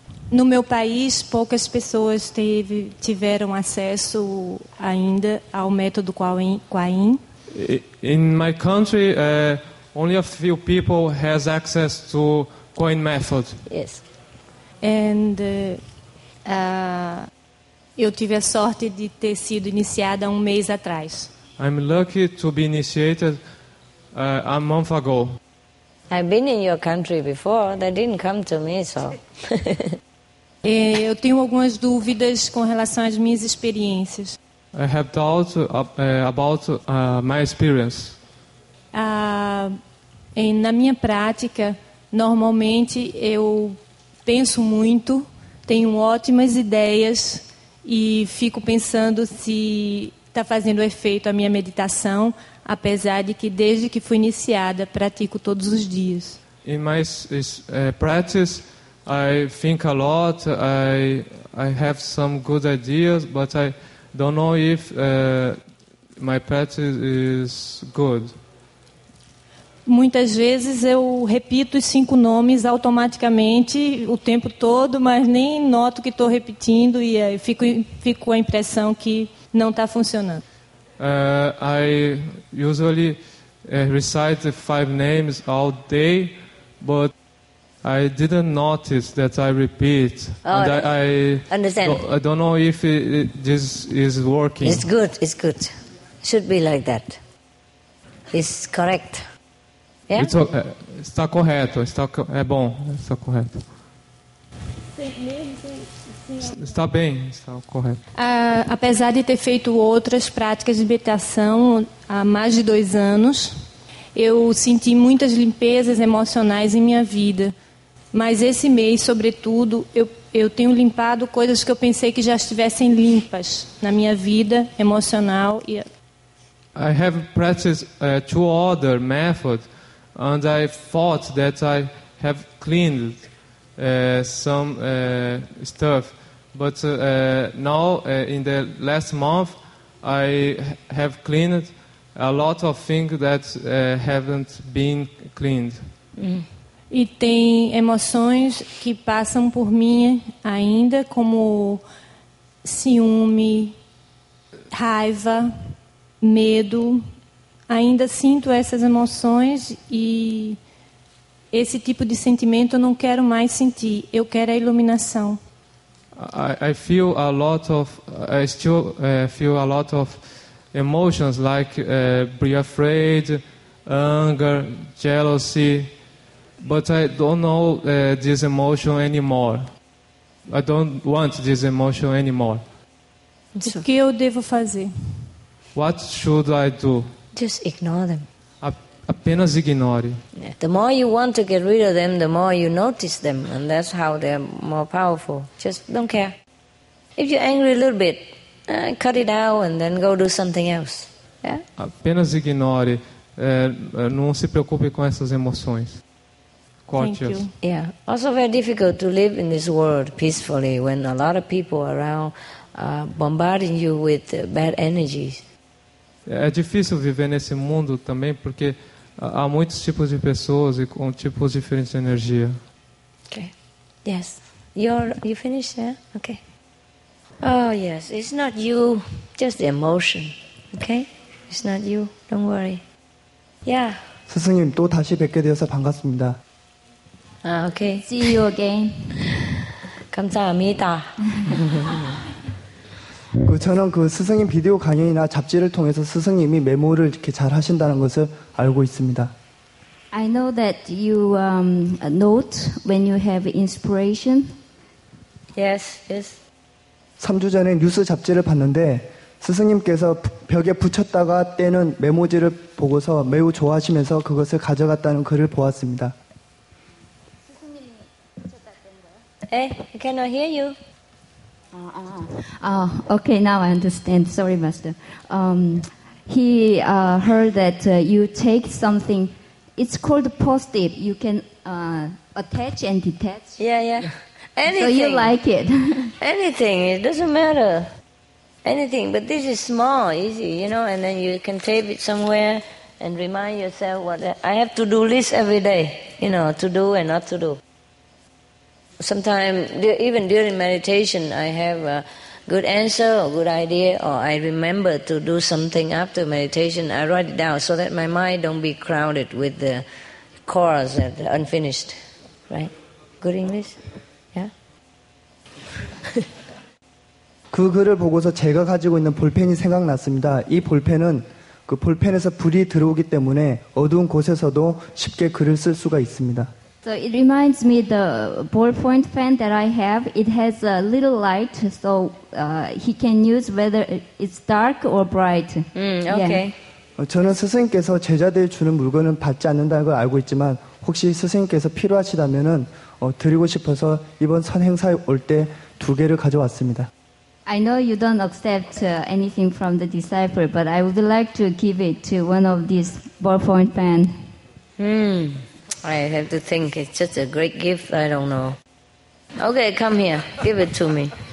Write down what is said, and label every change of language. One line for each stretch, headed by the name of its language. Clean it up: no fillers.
Portuguese: No meu país, poucas pessoas tiveram acesso ainda ao método Quain.
English: In my country, only a few people has access to Quain method. Yes. And...
Portuguese: Eu tive a sorte de ter sido iniciada um mês atrás.
English: I'm lucky to be initiated a month ago. I've been in your country before. They didn't come to me, so.
Portuguese: Eu tenho algumas dúvidas com relação às minhas experiências.
English: I have doubts about my experience.
Portuguese: Na minha prática, normalmente eu penso muito, tenho ótimas ideias. E fico pensando se está fazendo efeito a minha meditação, apesar de que desde que fui iniciada pratico todos os dias.
English: In my practice, I think a lot. I have some good ideas, but I don't know if my practice is good.
Portuguese: Muitas vezes eu repito os 5 nomes automaticamente o tempo todo, mas nem noto que estou repetindo e fico com a impressão que não está funcionando.
English: I usually recite the 5 names all day, but I didn't notice that I repeat. I understand. I don't know if this is working. It's good. Should be like that. It's correct. Yeah?
Portuguese: Está correto, é bom, está correto. Está bem, está correto. Apesar de ter feito outras práticas de meditação há mais de 2 anos, eu senti muitas limpezas emocionais em minha vida. Mas esse mês, sobretudo, eu tenho limpado coisas que eu pensei que já estivessem limpas na minha vida emocional.
English: I have practiced two other methods. And I thought that I have cleaned some stuff. But now, in the last month, I have cleaned a lot of things that haven't been cleaned.
Portuguese: E tem emoções que passam por mim ainda, como ciúme, raiva, medo. Ainda sinto essas emoções e esse tipo de sentimento eu não quero mais sentir. Eu quero a iluminação.
English: I feel a lot of, I still feel a lot of emotions like be afraid, anger, jealousy, but I don't know this emotion anymore. I don't want this emotion anymore.
Portuguese: O que eu devo fazer?
English: What should I do? Just ignore them.
Portuguese: Apenas ignore.
English: The more you want to get rid of them, the more you notice them, and that's how they're more powerful. Just don't care. If you're angry a little bit, cut it out and then go do something else. Yeah?
Portuguese: Apenas ignore. Não se preocupe com essas emoções. Corte-as.
English: Yeah. Also very difficult to live in this world peacefully when a lot of people around are bombarding you with bad energies.
Portuguese: É difícil viver nesse mundo também porque há muitos tipos de pessoas e com tipos diferentes de energia.
English: Okay. Yes. You finished, yeah? Okay. Oh, yes. It's not you. Just the emotion. Okay? It's not you. Don't worry. Yeah.
Korean: 스승님, 또 다시 뵙게 되어서 반갑습니다.
English: Okay. See you again.
Korean: 감사합니다. 저는 그 스승님 비디오 강연이나 잡지를 통해서 스승님이 메모를 이렇게 잘 하신다는 것을 알고 있습니다.
English: I know that you note when you have inspiration. Yes, yes.
Korean: 3주 전에 뉴스 잡지를 봤는데 스승님께서 벽에 붙였다가 떼는 메모지를 보고서 매우 좋아하시면서 그것을 가져갔다는 글을 보았습니다. 스승님이 붙였다 뗀 거예요?
English: Hey, I cannot hear you. Okay, now I understand. Sorry, Master. He heard that you take something, it's called post-it. You can attach and detach. Yeah, yeah. Anything. So you like it. Anything. It doesn't matter. Anything. But this is small, easy, you know, and then you can tape it somewhere and remind yourself what I have to do list every day, you know, to do and not to do. Sometimes, even during meditation, I have a good answer or good idea, or I remember to do something after meditation. I write it down so that my mind don't be crowded with the chores and the unfinished. Right? Good English? Yeah?
Korean: 그 글을 보고서 제가 가지고 있는 볼펜이 생각났습니다. 이 볼펜은 그 볼펜에서 불이 들어오기 때문에 어두운 곳에서도 쉽게 글을 쓸 수가 있습니다.
English: So it reminds me the ballpoint pen that I have. It has a little light, so he can use whether it's dark or bright. Okay. Yeah.
Korean: 저는 스승님께서 제자들 주는 물건은 받지 않는다는 걸 알고 있지만 혹시 스승님께서 필요하시다면은 드리고 싶어서 이번 선행사에 올 때 두 개를 가져왔습니다.
English: I know you don't accept anything from the disciple, but I would like to give it to one of these ballpoint pen. I have to think. It's just a great gift. I don't know. Okay, come here. Give it to me.